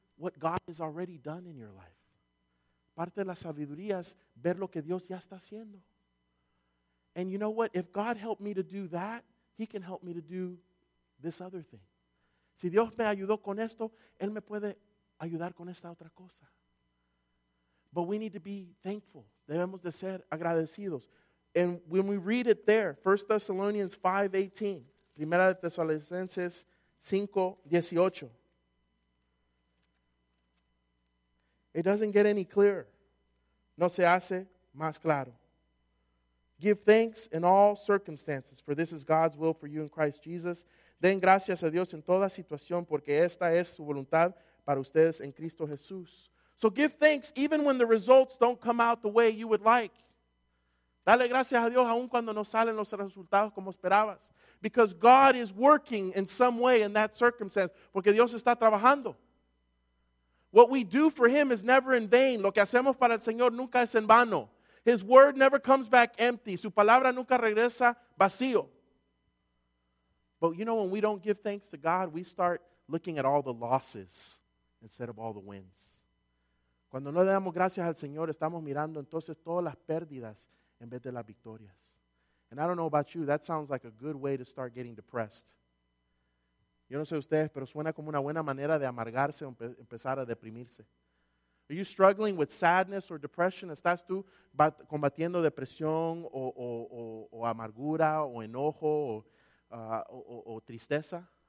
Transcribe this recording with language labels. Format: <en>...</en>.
<en>what God has already done in your life.</en> <es>Parte de la sabiduría es ver lo que Dios ya está haciendo.</es> <en>And you know what? If God helped me to do that, He can help me to do this other thing.</en> <es>Si Dios me ayudó con esto, Él me puede ayudar con esta otra cosa.</es> <en>But we need to be thankful.</en> <es>Debemos de ser agradecidos.</es> <en>And when we read it there, 1 Thessalonians 5:18, Primera de Tesalonicenses 5:18, it doesn't get any clearer.</en> <es>No se hace más claro.</es> <en>Give thanks in all circumstances, for this is God's will for you in Christ Jesus.</en> <es>Den gracias a Dios en toda situación, porque esta es su voluntad para ustedes en Cristo Jesús.</es> <en>So give thanks even when the results don't come out the way you would like.</en> <es>Dale gracias a Dios aun cuando no salen los resultados como esperabas.</es> <en>Because God is working in some way in that circumstance.</en> <es>Porque Dios está trabajando.</es> <en>What we do for Him is never in vain.</en> <es>Lo que hacemos para el Señor nunca es en vano.</es> <en>His word never comes back empty.</en> <es>Su palabra nunca regresa vacío.</es> <en>But you know, when we don't give thanks to God, we start looking at all the losses instead of all the wins.</en> <es>Cuando no le damos gracias al Señor, estamos mirando entonces todas las pérdidas en vez de las victorias.</es> <en>And I don't know about you, that sounds like a good way to start getting depressed.</en> <es>Yo no sé ustedes, pero suena como una buena manera de amargarse o empezar a deprimirse.</es> <en>Are you struggling with sadness or depression?</en> <es>¿Estás tú combatiendo depresión o amargura o enojo o tristeza?</es>